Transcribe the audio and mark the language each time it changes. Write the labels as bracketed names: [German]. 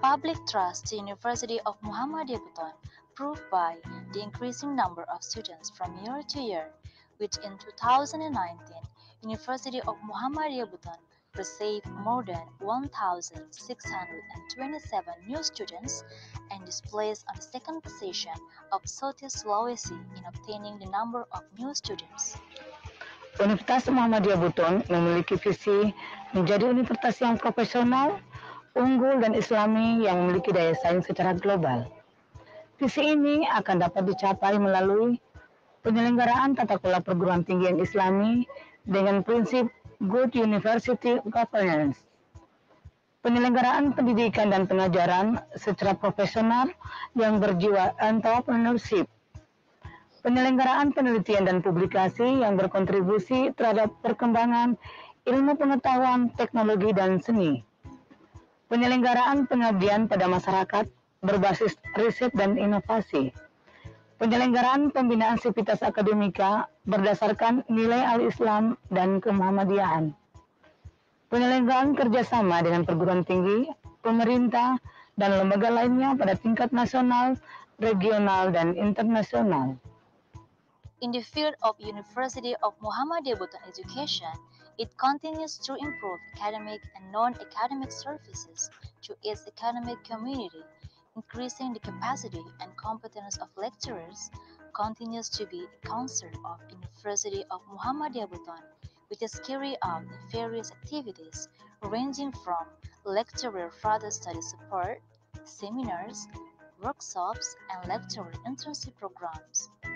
[English] Public trust to University of Muhammadiyah Bhutan proved by the increasing number of students from year to year, which in 2019, University of Muhammadiyah Bhutan received more than 1,627 new students and is placed on the second position of Southeast Sulawesi in obtaining the number of new students. [Indonesian] Universitas Muhammadiyah Bhutan memiliki visi menjadi universitas yang profesional, unggul, dan islami yang memiliki daya saing secara global. Visi ini akan dapat dicapai melalui penyelenggaraan tata kelola perguruan tinggi yang islami dengan prinsip Good University Governance, penyelenggaraan pendidikan dan pengajaran secara profesional yang berjiwa entrepreneurship, penyelenggaraan penelitian dan publikasi yang berkontribusi terhadap perkembangan ilmu pengetahuan, teknologi, dan seni, penyelenggaraan pengabdian pada masyarakat berbasis riset dan inovasi, penyelenggaraan pembinaan sivitas akademika berdasarkan nilai al-Islam dan kemuhammadiyahan, penyelenggaraan kerjasama dengan perguruan tinggi, pemerintah, dan lembaga lainnya pada tingkat nasional, regional, dan internasional. [English] In the field of University of Muhammadiyah Bhutan Education, it continues to improve academic and non-academic services to its academic community, increasing the capacity and competence of lecturers continues to be a concern of University of Muhammadiyah Bhutan, which is carrying out various activities ranging from lecturer further study support, seminars, workshops, and lecturer internship programs.